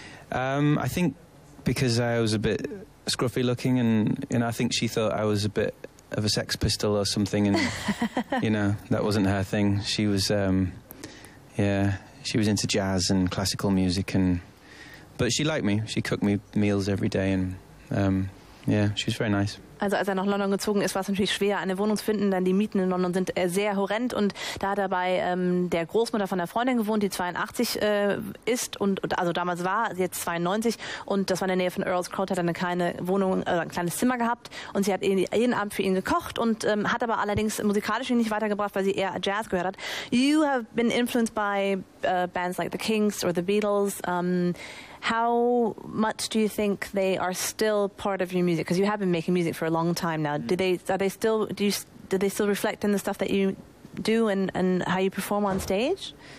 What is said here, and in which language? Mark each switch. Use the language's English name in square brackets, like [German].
[English] I think because I was a bit scruffy looking, and I think she thought I was a bit of a sex pistol or something, and you know, that wasn't her thing. She was, she was into jazz and classical music, but she liked me. She cooked me meals every day, and she was very nice. [German] Also als er nach London gezogen ist, war es natürlich schwer, eine Wohnung zu finden, denn die Mieten in London sind sehr horrend. Und da hat er bei der Großmutter von der Freundin gewohnt, die 82 ist, und also damals war, jetzt 92. Und das war in der Nähe von Earl's Court, hat er eine kleine Wohnung, ein kleines Zimmer gehabt. Und sie hat jeden Abend für ihn gekocht und hat aber allerdings musikalisch ihn nicht weitergebracht, weil sie eher Jazz gehört hat. [English] You have been influenced by bands like the Kinks or the Beatles. How much do you think they are still part of your music? Because you have been making music for a long time now. Do they still reflect in the stuff that you do and how you perform on stage?